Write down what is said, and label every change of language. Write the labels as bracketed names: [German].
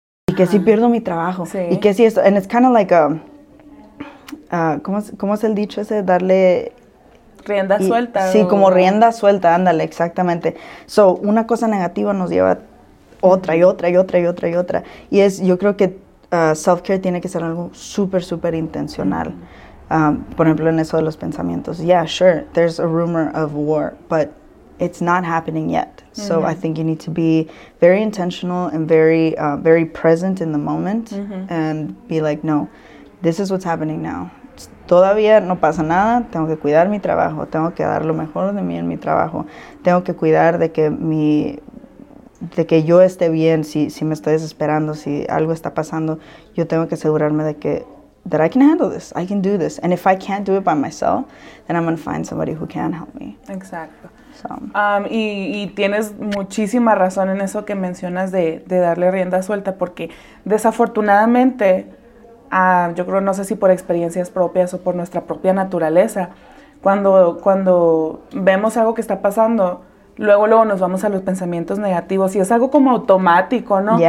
[Spanish] y qué si pierdo mi trabajo y qué si esto, [English] and it's kind of like a [Spanish] ¿cómo es el dicho ese? Darle rienda suelta. Sí, o... como rienda suelta, ándale, exactamente. So, una cosa negativa nos lleva otra y otra y otra y otra y otra. Y es, yo creo que self-care tiene que ser algo súper, súper intencional. Por ejemplo, en eso de los pensamientos. [English] Yeah, sure, there's a rumor of war, but it's not happening yet. So I think you need to be very intentional and very very present in the moment and be like, no, this is what's happening now. [Spanish] Todavía no pasa nada, tengo que cuidar mi trabajo, tengo que dar lo mejor de mí en mi trabajo, tengo que cuidar de que mi... de que yo esté bien, si me estoy desesperando, si algo está pasando, yo tengo que asegurarme de que [English] that I can handle this, I can do this. And if I can't do it by myself, then I'm going to find somebody who can help me. [Spanish] Exacto. So. Y tienes muchísima razón en eso que mencionas de darle rienda suelta, porque desafortunadamente, yo creo, no sé si por experiencias propias o por nuestra propia naturaleza, cuando vemos algo que está pasando, luego nos vamos a los pensamientos negativos y es algo como automático, ¿no?